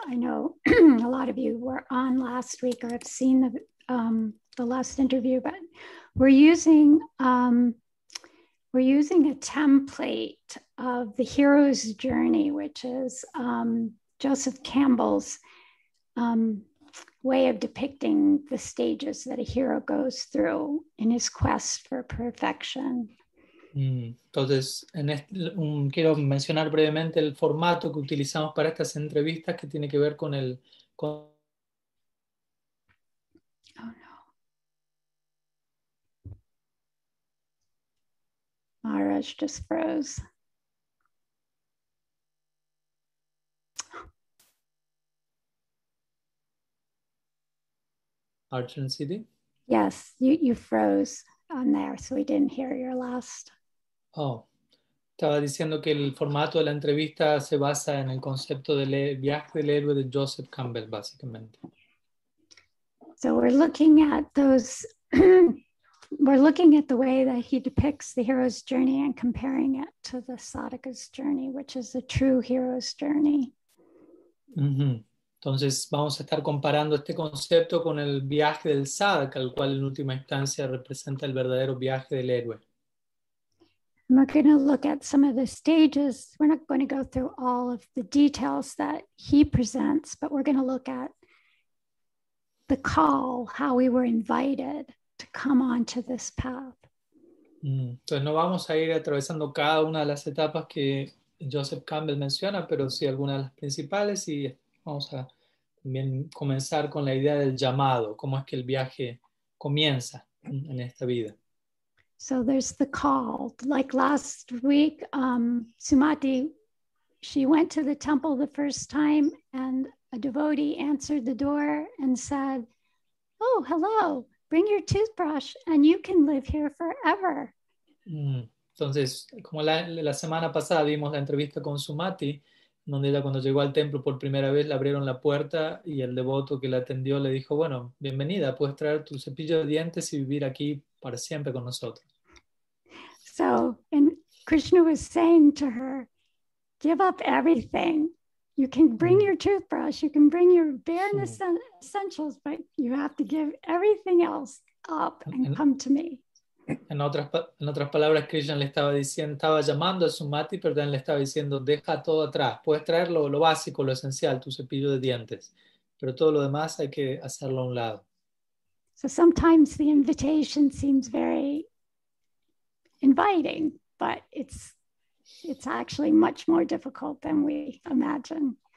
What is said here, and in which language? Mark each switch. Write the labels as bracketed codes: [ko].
[en] I know a lot of you were on last week or have seen the last interview, but we're using a template of the hero's journey, which is Joseph Campbell's way of depicting the stages that a hero goes through in his quest for perfection. [es] Entonces, quiero mencionar brevemente el formato que utilizamos para estas entrevistas que tiene que ver con el... [en] Oh, no. Maharaj just froze. Archon City? Yes, you froze on there, so we didn't hear your last. [es] Oh, estaba diciendo que el formato de la entrevista se basa en el concepto del viaje del héroe de Joseph Campbell, básicamente. [en] So we're looking at those, we're looking at the way that he depicts the hero's journey and comparing it to the sadhaka's journey, which is the true hero's journey. Mm-hmm. [es] Entonces vamos a estar comparando este concepto con el viaje del sadhaka, el cual en última instancia representa el verdadero viaje del héroe. [en] We're going to look at some of the stages. We're not going to go through all of the details that he presents, but we're going to look at the call, how we were invited to come onto this path. [es] Entonces no vamos a ir atravesando cada una de las etapas que Joseph Campbell menciona, pero sí algunas de las principales y vamos a también comenzar con la idea del llamado, cómo es que el viaje comienza en esta vida. [en] So there's the call. Like last week, Sumati, she went to the temple the first time and a devotee answered the door and said, oh, hello, bring your toothbrush and you can live here forever. [es] Entonces, como la semana pasada vimos la entrevista con Sumati, donde ella cuando llegó al templo por primera vez le abrieron la puerta y el devoto que la atendió le dijo, bueno, bienvenida, puedes traer tu cepillo de dientes y vivir aquí para siempre con nosotros. [en] So, and Krishna was saying to her, give up everything. You can bring your toothbrush, you can bring your bare essentials, but you have to give everything else up and come to me. [es] En otras palabras, Krishna le estaba diciendo, estaba llamando a Sumati, pero también le estaba diciendo, deja todo atrás. Puedes traer lo básico, lo esencial, tu cepillo de dientes, pero todo lo demás hay que hacerlo a un lado. [en] So sometimes the invitation seems very inviting, but it's actually much more difficult than we imagine.